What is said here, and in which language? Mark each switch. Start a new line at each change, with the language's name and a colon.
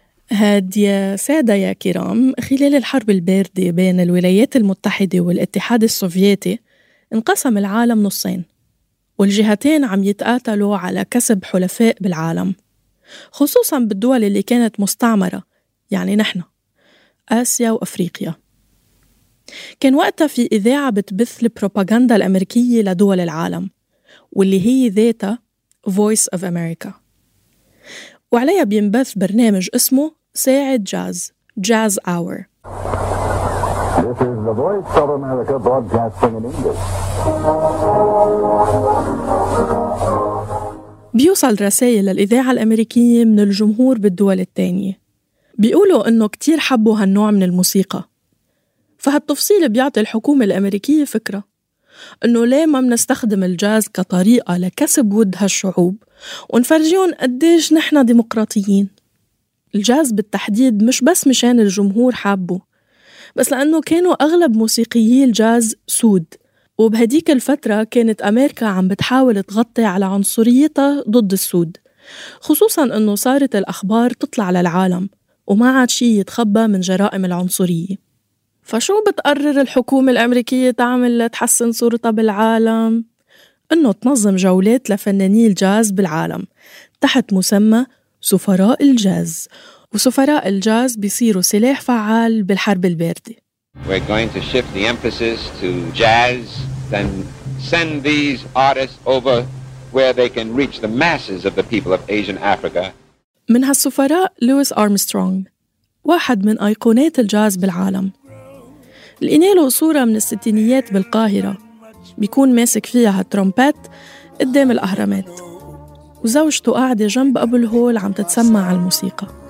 Arabic: هاد يا سادة يا كرام، خلال الحرب الباردة بين الولايات المتحدة والاتحاد السوفيتي انقسم العالم نصين، والجهتين عم يتقاتلوا على كسب حلفاء بالعالم، خصوصا بالدول اللي كانت مستعمرة، يعني نحن آسيا وأفريقيا. كان وقتها في إذاعة بتبث البروباغندا الأمريكية لدول العالم، واللي هي ذاتها Voice of America، وعليها بينبث برنامج اسمه ساعة جاز، جاز أور.
English: This is the Voice of America broadcasting in English.
Arabic: بيوصل رسائل للإذاعة الأمريكية من الجمهور بالدول التانية بيقولوا إنه كتير حبوا هالنوع من الموسيقى. فهالتفصيل بيعطي الحكومة الأمريكية فكرة إنه ليه ما منستخدم الجاز كطريقة لكسب ود هالشعوب ونفرجيهم قديش نحنا ديمقراطيين. الجاز بالتحديد مش بس مشان الجمهور حابه، بس لأنه كانوا أغلب موسيقيي الجاز سود، وبهديك الفترة كانت أمريكا عم بتحاول تغطي على عنصريتها ضد السود، خصوصاً أنه صارت الأخبار تطلع للعالم وما عاد شي يتخبى من جرائم العنصرية. فشو بتقرر الحكومة الأمريكية تعمل لتحسن صورتها بالعالم؟ أنه تنظم جولات لفناني الجاز بالعالم تحت مسمى سفراء الجاز، وسفراء الجاز بيصيروا سلاح فعال بالحرب الباردة.
English: We're going to shift the emphasis to jazz, then send these artists over where they can reach the masses of the people of Asia and Africa.
Arabic: من هالسفراء لويس أرمسترونغ، واحد من أيقونات الجاز بالعالم. لقيني له صورة من الستينيات بالقاهرة بيكون ماسك فيها هالترومبات قدام الأهرامات، وزوجته قاعدة جنب أبو الهول عم تتسمع على الموسيقى.